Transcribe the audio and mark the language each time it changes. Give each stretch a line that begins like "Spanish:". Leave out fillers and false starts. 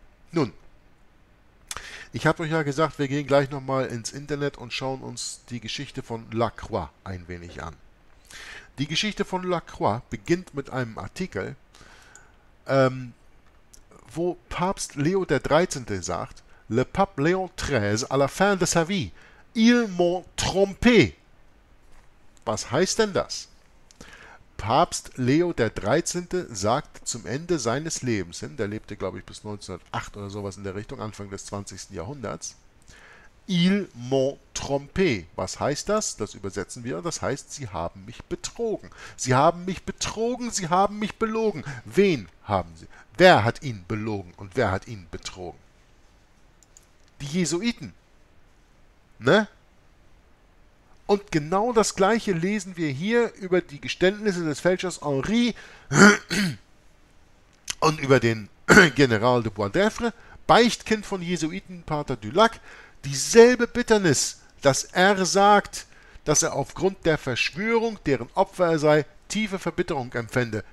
German: Nun, ich habe euch ja gesagt, wir gehen gleich nochmal ins Internet und schauen uns die Geschichte von Lacroix ein wenig an. Die Geschichte von Lacroix beginnt mit einem Artikel, wo Papst Leo XIII. Sagt,
French: Le pape Léon XIII à la fin de sa vie, il m'a trompé.
German: Was heißt denn das? Papst Leo XIII. Sagt zum Ende seines Lebens hin, der lebte, glaube ich, bis 1908 oder sowas in der Richtung, Anfang des 20. Jahrhunderts,
French: il m'a trompé.
German: Was heißt das? Das übersetzen wir. Das heißt, sie haben mich betrogen. Sie haben mich betrogen, sie haben mich belogen. Wen haben sie? Wer hat ihn belogen und wer hat ihn betrogen? Die Jesuiten. Ne? Und genau das Gleiche lesen wir hier über die Geständnisse des Fälschers Henri und über den General de Boisdeffre, Beichtkind von Jesuitenpater Dulac, dieselbe Bitternis, dass er sagt, dass er aufgrund der Verschwörung, deren Opfer er sei, tiefe Verbitterung empfände.